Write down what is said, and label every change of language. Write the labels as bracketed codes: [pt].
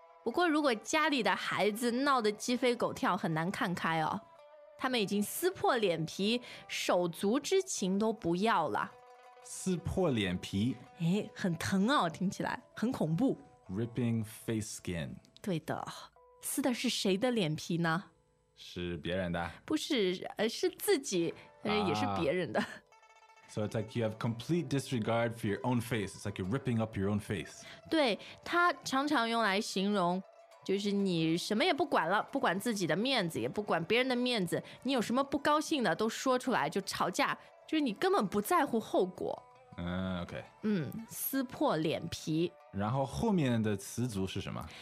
[zh] 不过如果家里的孩子闹得鸡飞狗跳，很难看开哦，他们已经撕破脸皮手足之情都不要了。撕破脸皮，诶，很疼哦，听起来很恐怖。 [en] Ripping face skin。 [zh] 对的，撕的是谁的脸皮呢？是别人的？不是，是自己，但是也是别人的。 [en] So it's like you have complete disregard for your own face. It's like you're ripping up your own face. [zh] 对，它常常用来形容就是你什么也不管了，不管自己的面子也不管别人的面子，你有什么不高兴的都说出来，就吵架，就是你根本不在乎后果。 OK，嗯，撕破脸皮。然后后面的词组是什么？